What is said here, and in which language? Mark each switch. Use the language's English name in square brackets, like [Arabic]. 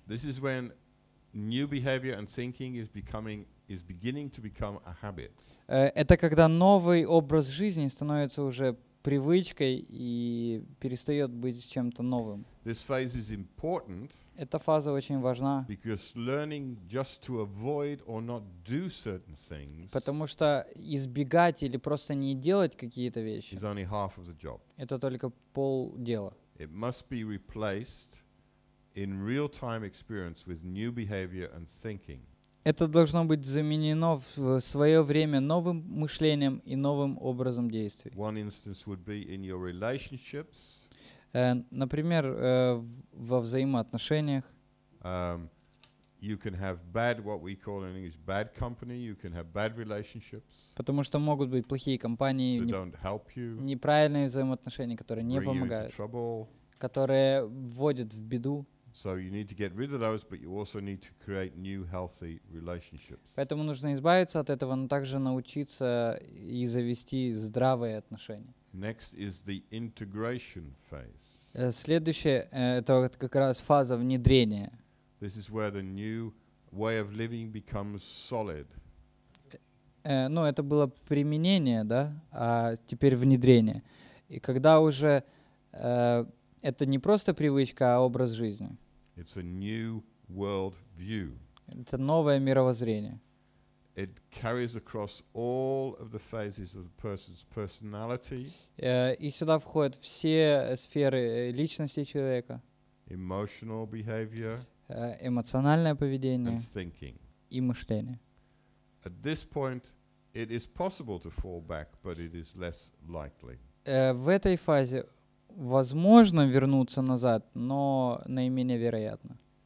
[English] This is when new behavior and thinking is beginning to become a habit. [Russian] Это когда новый образ жизни становится уже привычкой и перестает быть чем-то новым. [English] This phase is important. [Russian] Эта фаза очень важна. [English] Because learning just to avoid or not do certain things. [Russian] Потому что избегать или просто не делать какие-то вещи. [English] Is only half of the job. [Russian] Это только пол дела. [English] It must be replaced in real-time experience with new behavior and thinking. [Russian] Это должно быть заменено в свое время новым мышлением и новым образом действий. [English] One instance would be in your relationships. [Russian] Например, во взаимоотношениях. [English] You can have bad, what we call in English, bad company. You can have bad relationships. [Russian] Потому что могут быть плохие компании, неправильные взаимоотношения, которые не помогают, которые вводят в беду. [English] So you need to get rid of those, but you also need to create new healthy relationships. [Russian] Поэтому нужно избавиться от этого, но также научиться и завести здравые отношения. [English] Next is the integration phase. [Russian] Следующее это как раз фаза внедрения. [English] This is where the new way of living becomes solid. [Russian] Ну, это было применение, да, а теперь внедрение. И когда уже это не просто привычка, а образ жизни. [English] It's a new world view. [Russian] Это новое мировоззрение. [English] It carries across all of the phases of the person's personality. [Russian] И сюда входят все сферы личности человека. [English] Emotional behavior. [Russian] Эмоциональное поведение. [English] And thinking. [Russian] И мышление. [English] At this point, it is possible to fall back, but it is less likely. [Russian] В этой фазе возможно вернуться назад, но наименее вероятно.